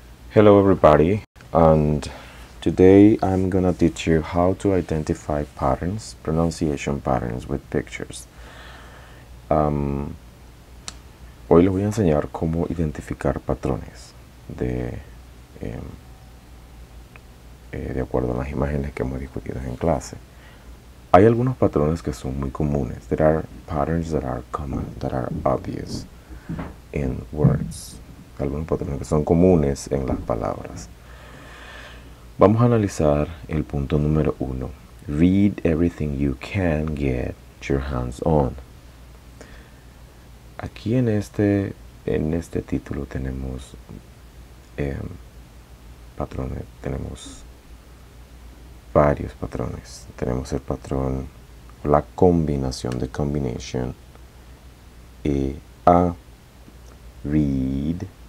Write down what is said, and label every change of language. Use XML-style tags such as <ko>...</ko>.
<en>Hello everybody, and today I'm gonna teach you how to identify patterns, pronunciation patterns with pictures.</en> <es>Hoy les voy a enseñar cómo identificar patrones de acuerdo a las imágenes que hemos discutido en clase. Hay algunos patrones que son muy comunes.</es> <en>There are patterns that are common, that are obvious in words.</en> <es>Algunos patrones que son comunes en las palabras. Vamos a analizar el punto número uno.</es> <en>Read everything you can get your hands on.</en> <es>Aquí en este título tenemos patrones, tenemos varios patrones. Tenemos el patrón, la combinación de combination a read.</es>